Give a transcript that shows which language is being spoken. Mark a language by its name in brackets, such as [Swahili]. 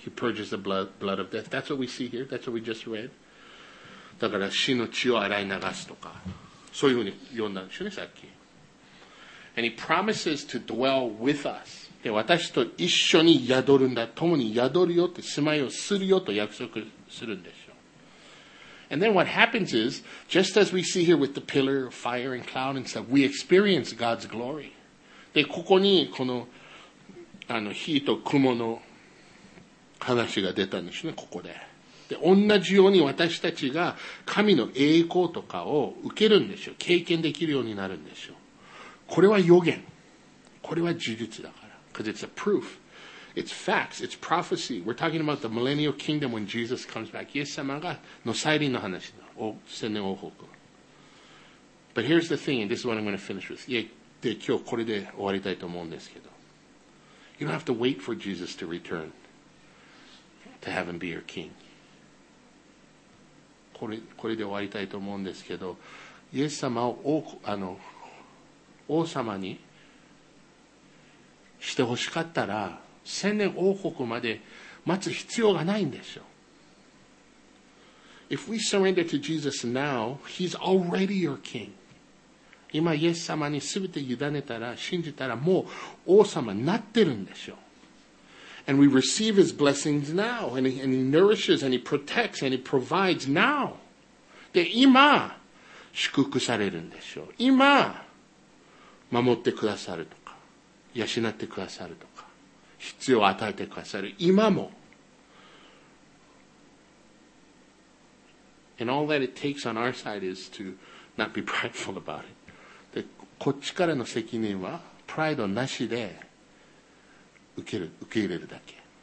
[English] He purges the blood of death. That's what we see here. That's what we just read. [Japanese] だから死の血を洗い流すとか。そういうふうに読んだんでしょうね、さっき。 [English] And he promises to dwell with us. [Japanese] で、私と一緒に宿るんだ。共に宿るよって、住まいをするよと約束するんですよ。 [English] And then what happens is, just as we see here with the pillar of fire and cloud and stuff, we experience God's glory. [Japanese] で、ここにこの、あの、火と雲の話が出たんですね、ここで。で、同じように私たちが神の栄光とかを受けるんですよ。経験できるようになるんですよ。これは予言。これは事実だから。 [English] Because it's a proof. It's facts. It's prophecy. We're talking about the millennial kingdom when Jesus comes back. [Japanese] イエス様がの再臨の話だ。千年王国。 [English] But here's the thing, and this is what I'm going to finish with. [Japanese] で、今日これで終わりたいと思うんですけど。 [English] You don't have to wait for Jesus to return to have him be your king. [Japanese] これで終わりたいと思うんですけど、イエス様を王様にしてほしかったら、千年王国まで待つ必要がないんですよ。 [English] If we surrender to Jesus now, he's already your king. [Japanese] 今イエス様にすべて委ねたら、信じたら、もう王様になってるんですよ。 [English] And we receive his blessings now, and he nourishes, and he protects, and he provides now. [Japanese] で、今、祝福されるんですよ。今、守ってくださるとか、養ってくださるとか、必要を与えてくださる。今も。 [English] And all that it takes on our side is to not be prideful about it. [Japanese] で、こっちからの責任は、プライドなしで、受け入れるだけ。